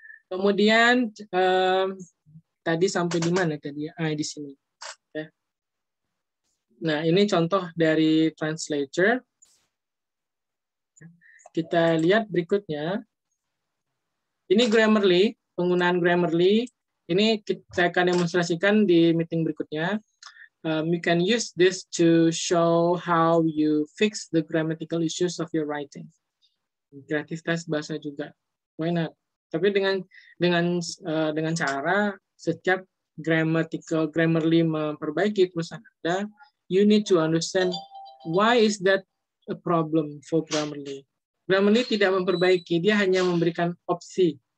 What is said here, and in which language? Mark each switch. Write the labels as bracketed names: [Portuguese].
[Indonesian] Kemudian tadi sampai di mana tadi? Ah, di sini. Okay. Nah, ini contoh dari translator. Kita lihat berikutnya. Ini Grammarly, penggunaan Grammarly. Ini kita akan demonstrasikan di meeting berikutnya. [English] You can use this to show how you fix the grammatical issues of your writing. [Indonesian] Kreativitas bahasa juga. [English] Why not? [Indonesian] Tapi dengan cara setiap Grammarly memperbaiki tulisan Anda, [English] you need to understand why is that a problem for Grammarly. [Indonesian] Grammarly tidak memperbaiki, dia hanya memberikan opsi.